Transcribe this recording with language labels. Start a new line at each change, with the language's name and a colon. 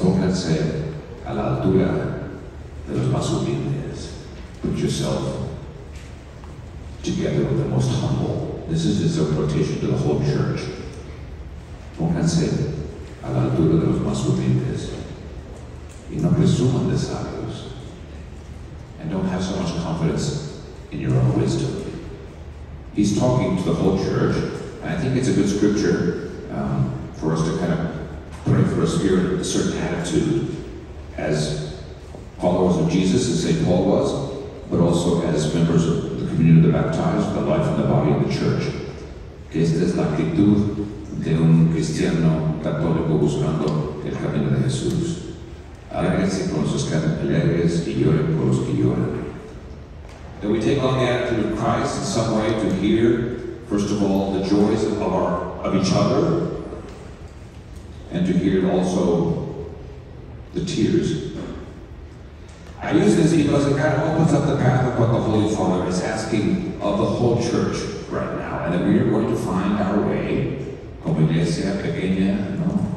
Spanish: Pónganse a la altura de los más humildes.
English: Put yourself together with the most humble. This is his exhortation to the whole church.
Spanish: Pónganse a la altura de los más humildes. Y no presuman de sabios.
English: And don't have so much confidence in your own wisdom. He's talking to the whole church, and I think it's a good scripture for us to kind of pray for a spirit, a certain attitude as followers of Jesus, as St. Paul was, but also as members of the community of the baptized, the life and the body of the church.
Spanish: Que esta es la actitud de un cristiano católico buscando el camino de Jesús. Alegrense con los que están alegres y lloren por los que lloran.
English: That we take on the attitude of Christ in some way to hear, first of all, the joys of each other, and to hear also the tears. I use this because it kind of opens up the path of what the Holy Father is asking of the whole church right now, and that we are going to find our way,
Spanish: como iglesia pequeña, ¿no?